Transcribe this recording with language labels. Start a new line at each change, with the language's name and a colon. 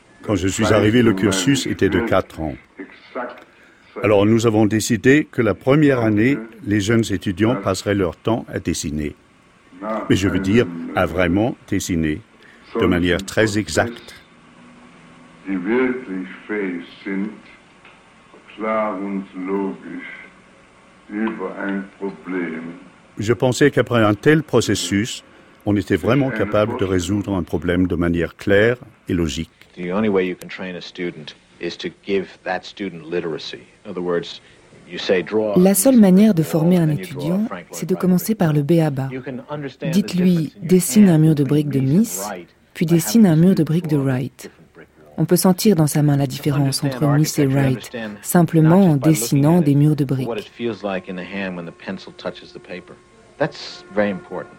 French: Quand je suis arrivé, le cursus était de 4 ans. Alors nous avons décidé que la première année, les jeunes étudiants passeraient leur temps à dessiner. Mais je veux dire, à vraiment dessiner, de manière très exacte.
German: Die wirklich fähig sind, klar und logisch über ein Problem.
French: Je pensais qu'après un tel processus, on était vraiment capable de résoudre un problème de manière claire et logique.
English: The only way you can train a student is to give that student literacy. In other words, you say draw.
French: La seule manière de former un étudiant, c'est de commencer par le béaba. Dites-lui, dessine un mur de briques de Mies, puis dessine un mur de briques de Wright. On peut sentir dans sa main la différence entre Mies et Wright, simplement en dessinant des murs de briques.